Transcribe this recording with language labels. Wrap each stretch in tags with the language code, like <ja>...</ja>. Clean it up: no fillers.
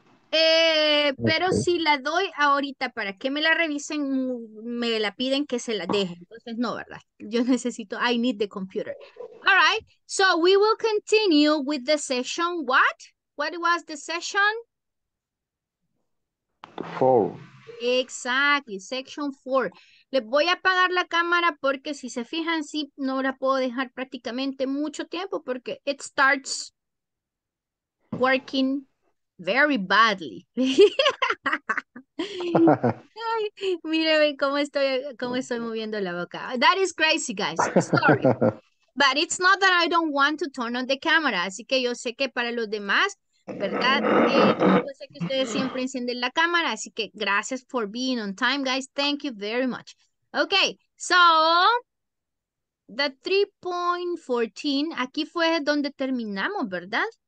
<es>Pero si la doy ahorita para que me la revisen, me la piden que se la deje. Entonces, no, ¿verdad? Yo necesito,</es> <en>I need the computer. All right, so we will continue with the session. What? What was the session? Four. Exactly, section 4.</en> <es>Les voy a apagar la cámara porque si se fijan, sí, no la puedo dejar prácticamente mucho tiempo porque</es> <en>it starts working very badly.</en> <es>Ay, mírenme cómo estoy moviendo la boca.</es> <en>That is crazy, guys. Sorry. But it's not that I don't want to turn on the camera.</en> <es>Así que yo sé que para los demás, ¿verdad? Yo sé que ustedes siempre encienden la cámara, así que gracias por</es> <en>being on time, guys. Thank you very much. Ok, so the 3.14,</en> <es>aquí fue donde terminamos, ¿verdad?</es>